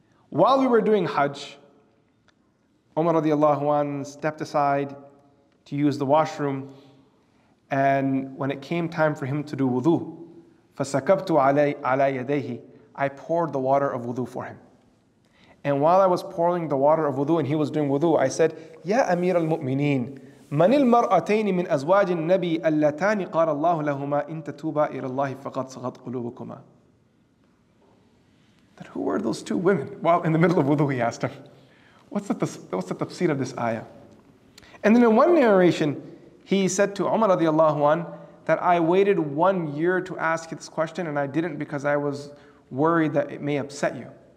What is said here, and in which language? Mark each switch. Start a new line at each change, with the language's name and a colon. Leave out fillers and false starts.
English: While we were doing Hajj, Umar radiallahu anhu stepped aside to use the washroom, and when it came time for him to do wudu,
Arabic: فَسَكَبْتُ عَلَى يَدَيْهِ
English: I poured the water of wudu for him. And while I was pouring the water of wudu and he was doing wudu, I said,
Arabic: يَا أَمِيرَ الْمُؤْمِنِينَ مَنِ الْمَرْأَتَيْنِ مِنْ أَزْوَاجِ النَّبِيِّ أَلَّتَانِ قَالَ اللَّهُ لَهُمَا إِن تَتُوبَا إِلَى اللَّهِ فَقَدْ صَغَتْ قُلُوبُكُمَا.
English: That who were those two women? While in the middle of wudu, he asked him. What's the tafsir of this ayah? And then in one narration, he said to Umar radiallahu an, that I waited 1 year to ask this question and I didn't because I was worried that it may upset you.